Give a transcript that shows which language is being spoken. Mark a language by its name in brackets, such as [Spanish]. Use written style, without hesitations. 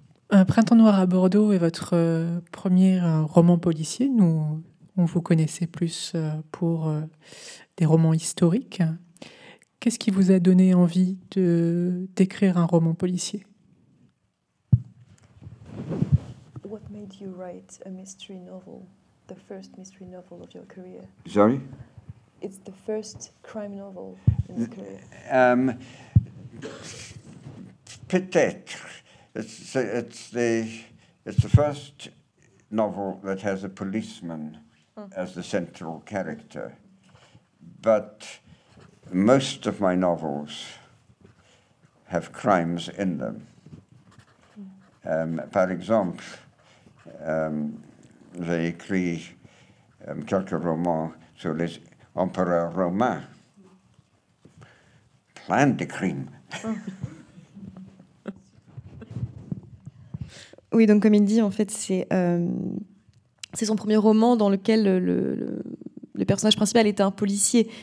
[French] Un Printemps noir à Bordeaux est votre premier roman policier. Nous, on vous connaissait plus pour des romans historiques. Qu'est-ce qui vous a donné envie d'écrire un roman policier? [English] What made you write a mystery novel, the first mystery novel of your career? Sorry? It's the first crime novel in the career. [French] Peut-être. [English] It's the first novel that has a policeman as the central character. But most of my novels have crimes in them. [French] Par exemple, j'ai écrit quelques romans sur les empereurs romains. Plein de crimes. Oui, donc comme il dit, en fait, c'est son premier roman dans lequel le personnage principal était un policier.